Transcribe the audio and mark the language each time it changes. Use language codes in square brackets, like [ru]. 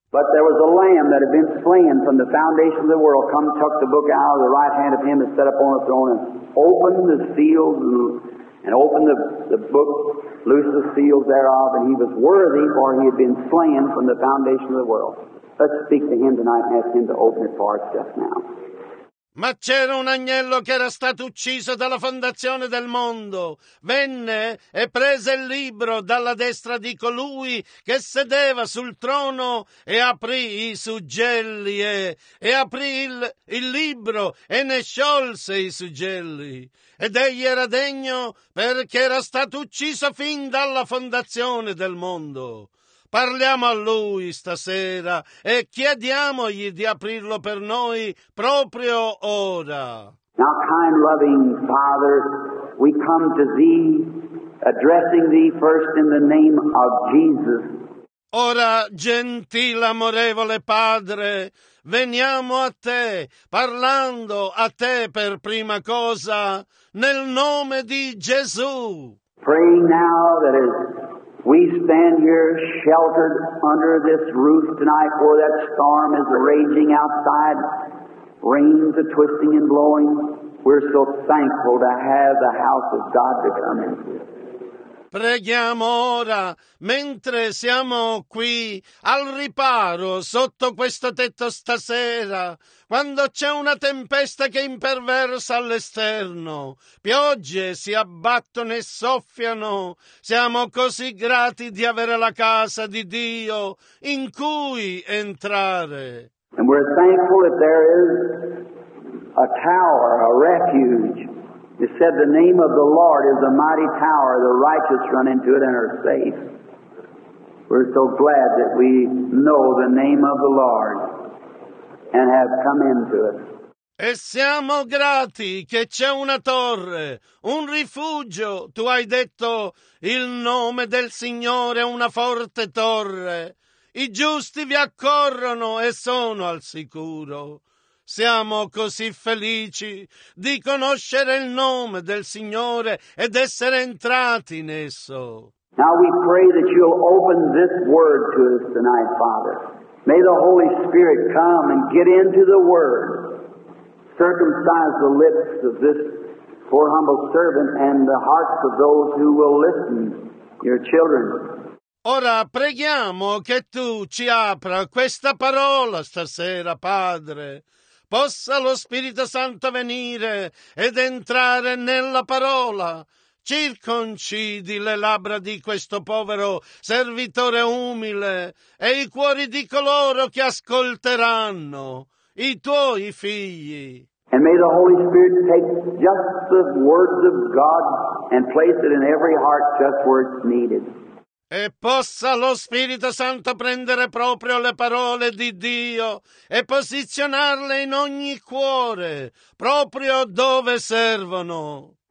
[en] But there was a lamb that had been slain from the foundation of the world, come tuck the book out of the right hand of him that sat upon the throne, and open the seals, and open the book, loose the seals thereof, and he was worthy, for he had been slain from the foundation of the world. Let's speak to him tonight and ask him to open it for us just now. [it] Ma c'era un agnello che era stato ucciso dalla fondazione del mondo. Venne e prese il libro dalla destra di colui che sedeva sul trono e aprì i suggelli e aprì il libro e ne sciolse i suggelli. Ed egli era degno perché era stato ucciso fin dalla fondazione del mondo. Parliamo a lui stasera e chiediamogli di aprirlo per noi proprio ora. [en] Now, kind, loving Father, we come to thee, addressing thee first in the name of Jesus. [it] Ora, gentile, amorevole Padre, veniamo a te, parlando a te per prima cosa, nel nome di Gesù. [en] Praying now that is. We stand here sheltered under this roof tonight, for that storm is raging outside, rains are twisting and blowing, We're so thankful to have the house of God to come into. [it] Preghiamo ora, mentre siamo qui, al riparo, sotto questo tetto stasera, quando c'è una tempesta che imperversa all'esterno, piogge si abbattono e soffiano, siamo così grati di avere la casa di Dio in cui entrare. [en] And we're thankful that there is a tower, a refuge. It said the name of the Lord is a mighty tower. The righteous run into it and are safe. We're so glad that we know the name of the Lord and have come into it. [it] E siamo grati che c'è una torre, un rifugio. Tu hai detto il nome del Signore è una forte torre. I giusti vi accorrono e sono al sicuro. Siamo così felici di conoscere il nome del Signore ed essere entrati in esso. [en] Now we pray that you'll open this word to us tonight, Father. May the Holy Spirit come and get into the word. Circumcise the lips of this poor humble servant and the hearts of those who will listen, your children. [it] Ora preghiamo che tu ci apra questa parola stasera, Padre. Possa lo Spirito Santo venire ed entrare nella parola. Circoncidi le labbra di questo povero servitore umile e i cuori di coloro che ascolteranno, i tuoi figli. [en] And may the Holy Spirit take just the words of God and place it in every heart just where it's needed. [it] E possa lo Spirito Santo prendere proprio le parole di Dio e posizionarle in ogni cuore, proprio dove servono.